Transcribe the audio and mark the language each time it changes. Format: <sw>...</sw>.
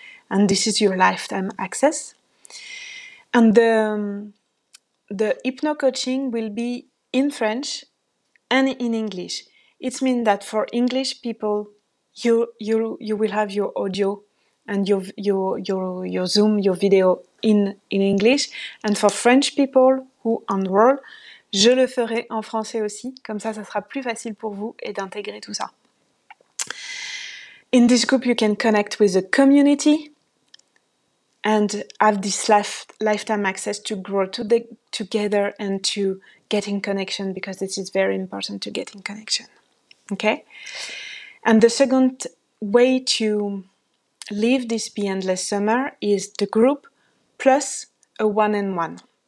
<en>And this is your lifetime access. And the hypno-coaching will be in French and in English. It means that for English people, you will have your audio and your Zoom, your video in English. And for French people who enroll,</en> <fr>je le ferai en français aussi. Comme ça, ça sera plus facile pour vous et d'intégrer tout ça.</fr> <en>In this group, you can connect with the community and have this lifetime access to grow together and to get in connection, because this is very important to get in connection. Okay? And the second way to live this Be Endless Summer is the group plus a one-on-one.</en>